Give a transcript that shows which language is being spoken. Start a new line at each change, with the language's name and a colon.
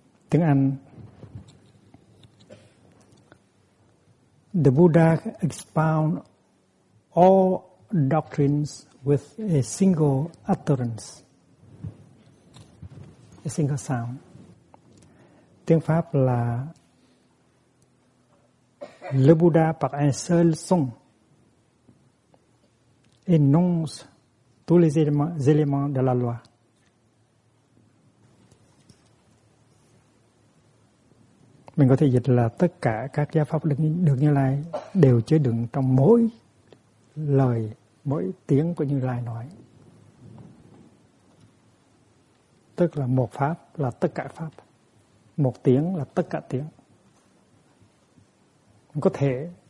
Vietnamese: Tiếng Anh:
English: The Buddha expound all doctrines with a single utterance, a single sound.
Vietnamese: Tiếng Pháp là
French: Le Buddha par un seul son énonce tous les éléments de la loi.
Vietnamese: Mình có thể dịch là tất cả các giáo pháp được Như Lai đều chứa đựng trong mỗi lời, mỗi tiếng của Như Lai nói. Tức là một pháp là tất cả pháp. Một tiếng là tất cả tiếng. Có thể